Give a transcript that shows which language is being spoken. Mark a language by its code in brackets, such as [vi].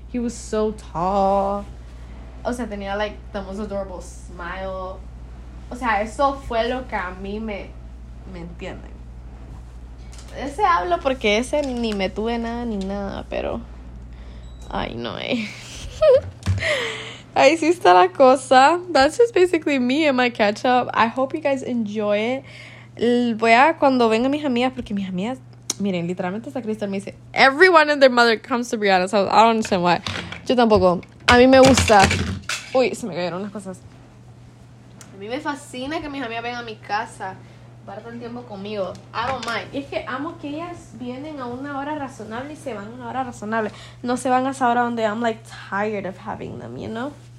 [en] He was so tall. [es] O sea, tenía, [en] like, the most adorable smile. [es] O sea, eso fue lo que a mí me... ¿Me entienden? Ese hablo porque ese ni me tuve nada ni nada, pero... Ay, no, Ahí sí está la cosa. [en] That's just basically me and my catch up. I hope you guys enjoy it. [es] Voy a cuando vengan mis amigas, porque mis amigas, miren, literalmente hasta Crystal me dice, [en] everyone and their mother comes to Brianna's house. I don't understand why. [es] Yo tampoco. A mí me gusta. Uy, se me cayeron las cosas. A mí me fascina que mis amigas vengan a mi casa, parten tiempo conmigo. [en] I don't mind. [es] Y es que amo que ellas vienen a una hora razonable y se van a una hora razonable. No se van a esa hora donde [en] I'm like tired of having them, you know?